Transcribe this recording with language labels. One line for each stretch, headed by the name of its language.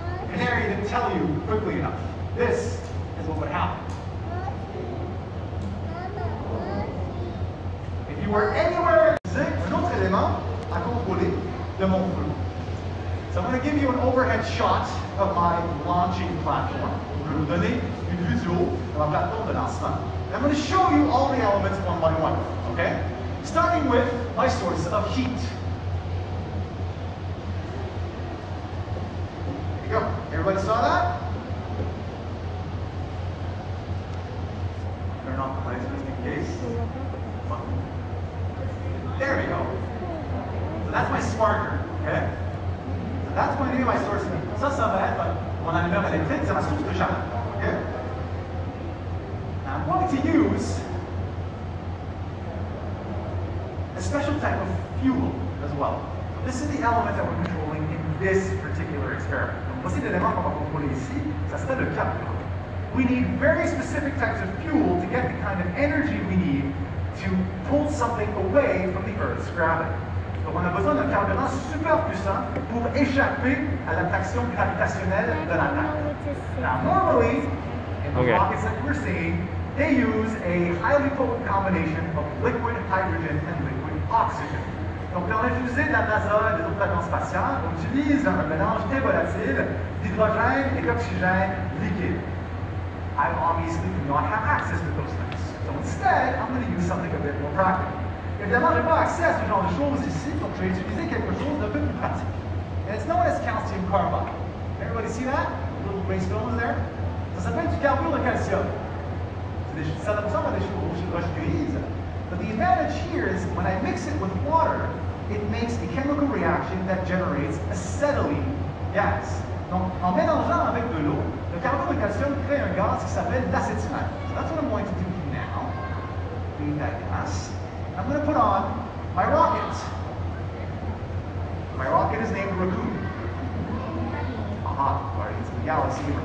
English: The canary didn't tell you quickly enough. This is what would happen. You were anywhere
French: un autre élément à contrôler de mon feu.
English: So I'm going to give you an overhead shot of my launching platform.
French: Je vais vous donner une vue du haut de ma plateforme de lancement.
English: And I'm going to show you all the elements one by one, okay? Starting with my source of heat. Here you go. Everybody saw that? Turn off the lights just in case. There we go. So that's my sparker, okay? So that's going to be my source of heat.
French: Ça, ça va être mon allumeur électrique, c'est ma source de chaleur, okay?
English: Now I'm going to use a special type of fuel as well. So this is the element that we're controlling in this particular experiment.
French: Voici l'élément qu'on va contrôler ici, ça serait le carburant.
English: We need very specific types of fuel to get the kind of energy we need to pull something away from the Earth's gravity.
French: Donc on a besoin d'un carburant super puissant pour échapper à l'attraction gravitationnelle de la Terre.
English: Now, normally, in the rockets that we're seeing, they use a highly potent combination of liquid hydrogen and liquid oxygen.
French: Donc dans les fusées de la NASA et des autres agences spatiales, on utilise un mélange très volatile d'hydrogène et d'oxygène liquide.
English: I obviously do not have access to those things. So instead, I'm going to use something a bit more practical.
French: Évidemment, je n'ai pas accès à ce genre de choses ici, donc je vais utiliser quelque chose d'un peu plus pratique.
English: And it's known as calcium carbide. Everybody see that? Little gray stones there?
French: Ça s'appelle du carbure de calcium. Ça ressemble à des roches grises.
English: But the advantage here is when I mix it with water, it makes a chemical reaction that generates acetylene gas.
French: Donc, en mélangeant avec de l'eau, le carbure de calcium crée un gaz qui s'appelle l'acétylène.
English: So that's what I'm going to do. That gas. I'm going to put on my rocket. My rocket is named Raccoon. Aha, Guardians of the Galaxy.